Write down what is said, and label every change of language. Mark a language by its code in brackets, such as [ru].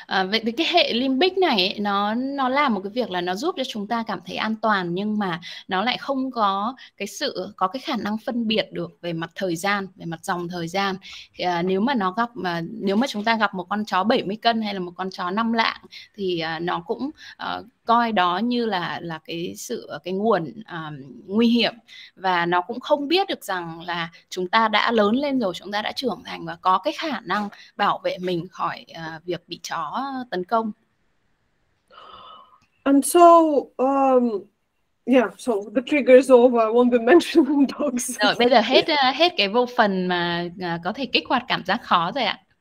[vi] Vậy thì cái hệ limbic này ấy, nó làm một cái việc là nó giúp cho chúng ta cảm thấy an toàn, nhưng mà nó lại không có cái sự có cái khả năng phân biệt được về mặt thời gian, về mặt dòng thời gian. Thì, nếu mà nó gặp mà nếu mà chúng ta gặp một con chó 70 cân hay là một con chó 5 lạng thì nó cũng coi đó như là cái sự cái nguồn nguy hiểm, và nó cũng không biết được rằng là chúng ta đã lớn lên rồi, chúng ta đã trưởng thành và có cái khả năng bảo vệ mình khỏi việc bị chó tấn công. [en] And so yeah, so the trigger is over. I won't be mentioning dogs. [vi] Rồi bây giờ hết hết cái vô phần mà có thể kích hoạt cảm giác khó rồi ạ.